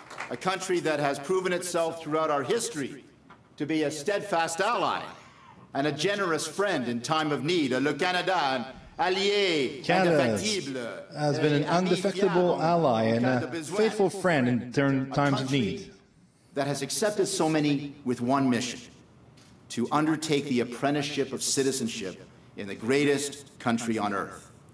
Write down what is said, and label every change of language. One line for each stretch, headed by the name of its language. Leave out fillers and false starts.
English: A country that has proven itself throughout our history to be a steadfast ally and a generous friend in time of need.
French: Le Canada, un allié indéfectible.
English: Canada has been an undefectible ally and a faithful friend in times of need. That has accepted so many with one mission, to undertake the apprenticeship of citizenship in the greatest country on earth.